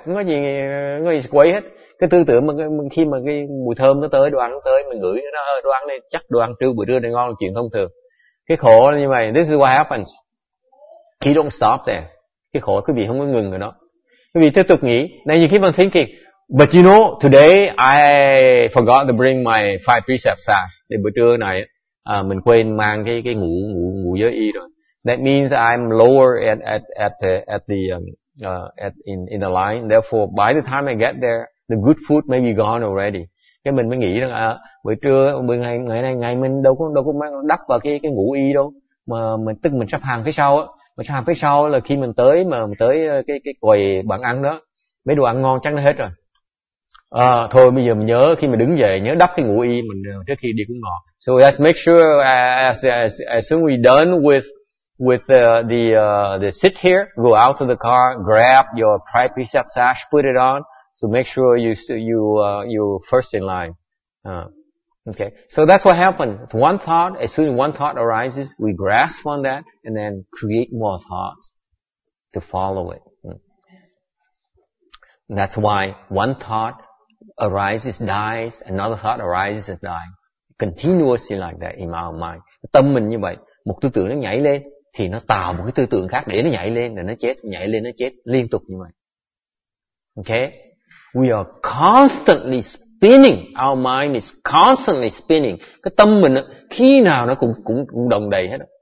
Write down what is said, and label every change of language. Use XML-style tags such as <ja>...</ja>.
<vi>Không có gì người quấy hết. Cái tư tưởng mà khi mà cái mùi thơm nó tới, đồ ăn nó tới, mình ngửi nó, đồ ăn này chắc đồ ăn trưa bữa trưa này ngon là chuyện thông thường. Cái khổ là như vậy.</vi> <en>This is what happens. He don't stop there.</en> <vi>Cái khổ quý vị không có ngừng rồi đó. Quý vị tiếp tục nghĩ.</vi> <en>Now you keep on thinking. But you know, today I forgot to bring my five precepts out.</en> <vi>Để bữa trưa này mình quên mang cái ngũ giới y rồi.</vi> <en>That means I'm lower at the the line. Therefore, by the time I get there, the good food may be gone already.</en> <vi>Cái mình mới nghĩ rằng buổi trưa, buổi ngày mình đâu có mang đắp vào cái ngũ y đâu, mà mình tức mình sắp hàng phía sau á, mà sắp hàng phía sau là khi mình tới mà mình tới cái quầy bàn ăn đó, mấy đồ ăn ngon chắc nó hết rồi. Thôi bây giờ mình nhớ khi mà đứng dậy nhớ đắp cái ngũ y mình trước khi đi cũng ngon.</vi> <en>So we have to make sure as soon we done with the sit here, go out to the car, grab your five precept sash, put it on, so make sure you first in line. Okay, so that's what happened. One thought, as soon as one thought arises, we grasp on that and then create more thoughts to follow it. That's why one thought arises, dies, another thought arises and dies continuously like that in our mind.</en> <vi>Tâm mình như vậy, một tư tưởng nó nhảy lên thì nó tạo một cái tư tưởng khác để nó nhảy lên, rồi nó chết, nhảy lên nó chết, liên tục như vậy. Okay?</vi> <en>We are constantly spinning. Our mind is constantly spinning.</en> <vi>Cái tâm mình khi nào nó cũng đồng đầy hết.</vi>